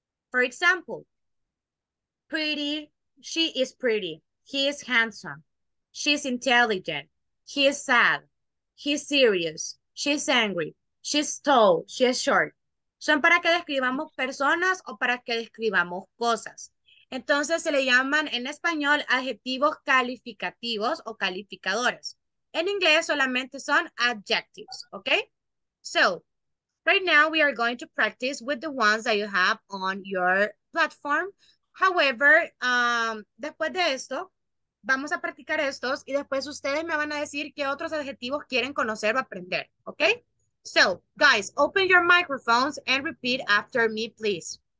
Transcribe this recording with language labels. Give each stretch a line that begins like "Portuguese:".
English: For example, pretty, she is pretty, he is handsome, she is intelligent, he is sad, he is serious, she is angry, she is tall, she is short.
Spanish: Son para que describamos personas o para que describamos cosas. Entonces se le llaman en español adjetivos calificativos o calificadores. En inglés solamente son adjectives, ¿ok?
English: So, right now we are going to practice with the ones that you have on your platform. However,
Spanish: después de esto, vamos a practicar estos y después ustedes me van a decir qué otros adjetivos quieren conocer o aprender, ¿ok?
English: So, guys, open your microphones and repeat after me, please.